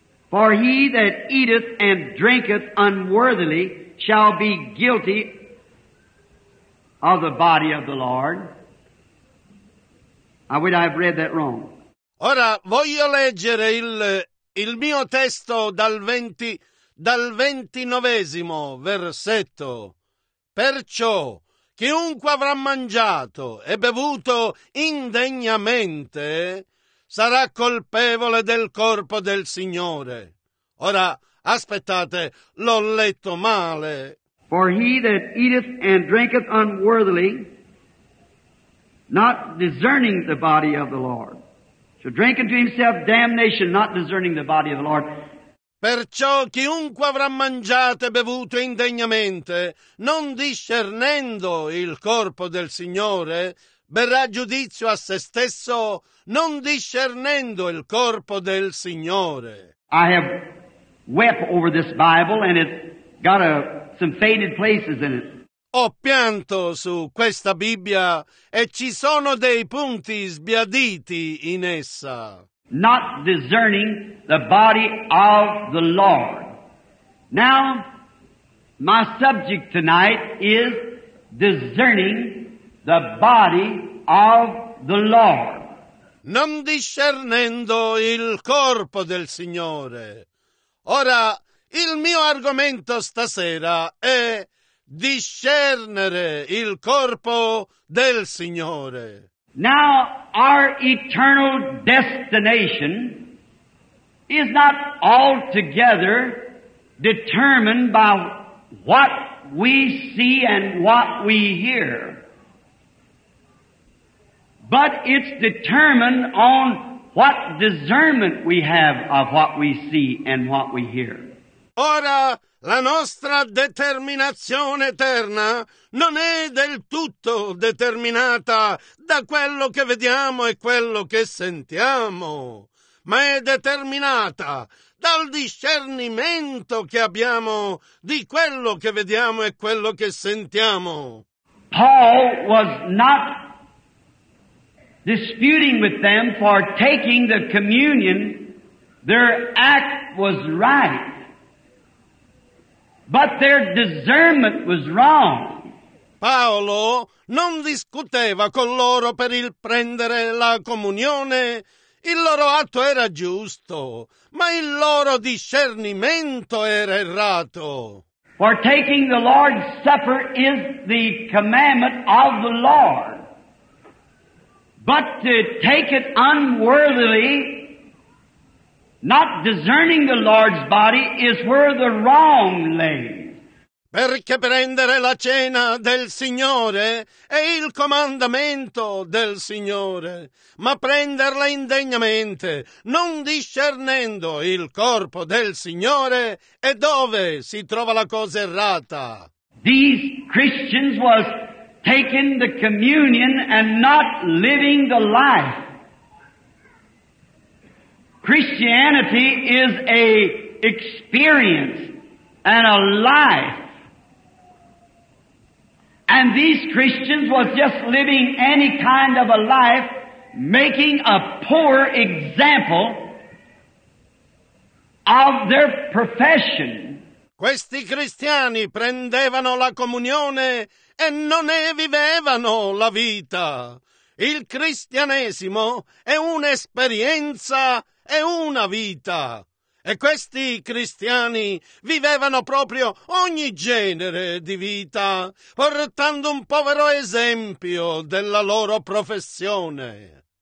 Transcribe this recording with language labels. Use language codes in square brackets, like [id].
[en] For he that eateth and drinketh unworthily shall be guilty of the body of the Lord. I would have read that wrong. [it] Ora voglio leggere il mio testo dal 29esimo versetto. Perciò chiunque avrà mangiato e bevuto indegnamente sarà colpevole del corpo del Signore. Ora aspettate, l'ho letto male. [en] For he that eateth and drinketh unworthily, not discerning the body of the Lord, shall drink unto himself damnation, not discerning the body of the Lord. [it] Perciò chiunque avrà mangiato e bevuto indegnamente, non discernendo il corpo del Signore, berrà giudizio a se stesso, non discernendo il corpo del Signore. [en] I have wept over this Bible and it got some faded places in it. [it] Ho pianto su questa Bibbia e ci sono dei punti sbiaditi in essa. [en] Not discerning the body of the Lord. Now, my subject tonight is discerning the body of the Lord. [it] Non discernendo il corpo del Signore. Ora, il mio argomento stasera è discernere il corpo del Signore. [en] Now, our eternal destination is not altogether determined by what we see and what we hear, but it's determined on what discernment we have of what we see and what we hear. [it] Ora, la nostra determinazione eterna non è del tutto determinata da quello che vediamo e quello che sentiamo, ma è determinata dal discernimento che abbiamo di quello che vediamo e quello che sentiamo. [en] Paul was not disputing with them for taking the communion. Their act was right. But their discernment was wrong. [it] Paolo non discuteva con loro per il prendere la comunione. Il loro atto era giusto, ma il loro discernimento era errato. [en] For taking the Lord's Supper is the commandment of the Lord. But to take it unworthily, not discerning the Lord's body, is where the wrong lay. [it] Perché prendere la cena del Signore è il comandamento del Signore, ma prenderla indegnamente, non discernendo il corpo del Signore, è dove si trova la cosa errata. [en] These Christians was taking the communion and not living the life. Christianity is a experience and a life. And these Christians was just living any kind of a life, making a poor example of their profession. [it] Questi cristiani prendevano la comunione e non ne vivevano la vita. Il cristianesimo è un'esperienza. È una vita. E questi cristiani vivevano proprio ogni genere di vita, portando un povero esempio della loro professione.